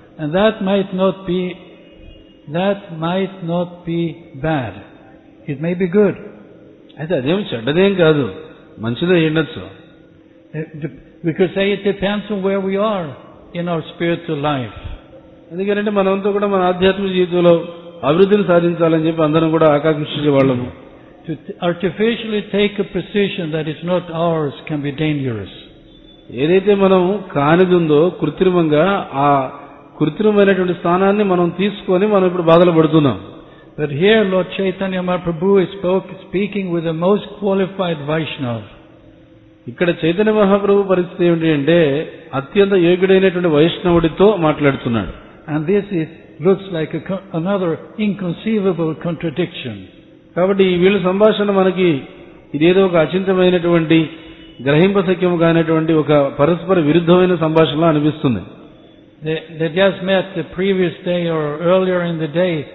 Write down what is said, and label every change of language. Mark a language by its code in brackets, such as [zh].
[en] And that might not be bad, it may be good. [te] అయితే అదేమి చెడ్డదేం కాదు, మంచిదే ఉండొచ్చు. [en] We could say it depends on where we are in our spiritual life. [te] ఎందుకంటే మనంతా కూడా మన ఆధ్యాత్మిక జీవితంలో అభివృద్ధిని సాధించాలని చెప్పి అందరం కూడా ఆకాంక్షించే వాళ్ళము. [en] To artificially take a precision that is not ours can be dangerous. [te] ఏదైతే మనం కానిదుందో కృత్రిమంగా ఆ కృత్రిమైనటువంటి స్థానాన్ని మనం తీసుకొని మనం ఇప్పుడు బాధలు పడుతున్నాం. [en] But here Lord Chaitanya Mahaprabhu is speaking with the most qualified Vaishnava. [te] ఇక్కడ చైతన్య మహాప్రభు పరిస్థితి ఏమిటంటే అత్యంత యోగ్యుడైనటువంటి వైష్ణవుడితో మాట్లాడుతున్నాడు. [en] And this is looks like another inconceivable contradiction. [te] కాబట్టి ఈ వీళ్ళ సంభాషణ మనకి ఇదేదో ఒక అచింతమైనటువంటి గ్రహింపశక్యం కానటువంటి ఒక పరస్పర విరుద్ధమైన సంభాషణలో అనిపిస్తుంది. [en] They just met the previous day or earlier in the day.